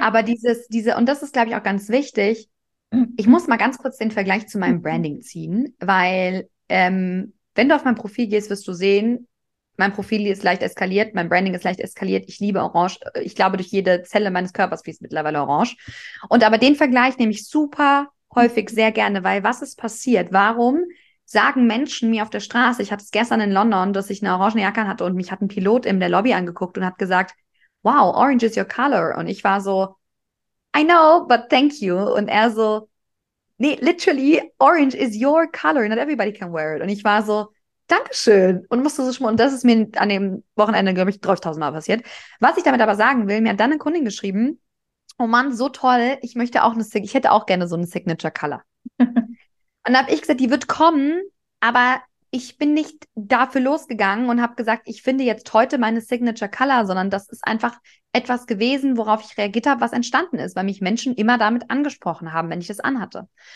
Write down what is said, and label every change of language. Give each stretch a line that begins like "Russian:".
German: Aber und das ist, glaube ich, auch ganz wichtig. Ich muss mal ganz kurz den Vergleich zu meinem Branding ziehen, weil wenn du auf mein Profil gehst, wirst du sehen, mein Profil ist leicht eskaliert, mein Branding ist leicht eskaliert, ich liebe Orange, ich glaube, durch jede Zelle meines Körpers fließt mittlerweile Orange. Und aber den Vergleich nehme ich super häufig sehr gerne, weil was ist passiert? Warum sagen Menschen mir auf der Straße, ich hatte es gestern in London, dass ich eine orange Jacke hatte und mich hat ein Pilot in der Lobby angeguckt und hat gesagt, wow,
English: orange is your color.
German: Und ich war so,
English: I know, but thank you.
German: Und er so, nee,
English: literally, orange is your color, not everybody can wear it.
German: Und ich war so, Dankeschön. Und musste so schmunzeln. Und das ist mir an dem Wochenende, glaube ich, 30.000 Mal passiert. Was ich damit aber sagen will, mir hat dann eine Kundin geschrieben, oh Mann, so toll, ich hätte auch gerne so eine Signature Color. Und da habe ich gesagt, die wird kommen, aber ich bin nicht dafür losgegangen und habe gesagt, ich finde jetzt heute meine Signature Color, sondern das ist einfach etwas gewesen, worauf ich reagiert habe, was entstanden ist, weil mich Menschen immer damit angesprochen haben, wenn ich das anhatte.